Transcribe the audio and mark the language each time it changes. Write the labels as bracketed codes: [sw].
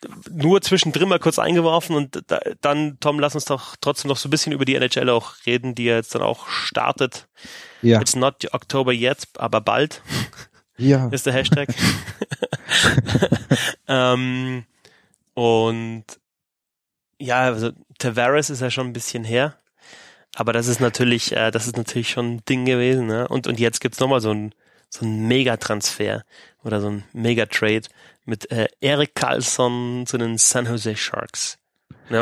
[de] Nur zwischendrin mal kurz eingeworfen und dann, Tom, lass uns doch trotzdem noch so ein bisschen über die NHL auch reden, die ja jetzt dann auch startet. Ja. [en] It's not October yet, [de] aber bald. Ja. Ist der Hashtag. und ja, also Tavares ist ja schon ein bisschen her, aber das ist natürlich schon ein Ding gewesen, ne? Und jetzt gibt's nochmal so ein Megatransfer oder so ein Megatrade mit Erik Karlsson zu den San Jose Sharks. Ne?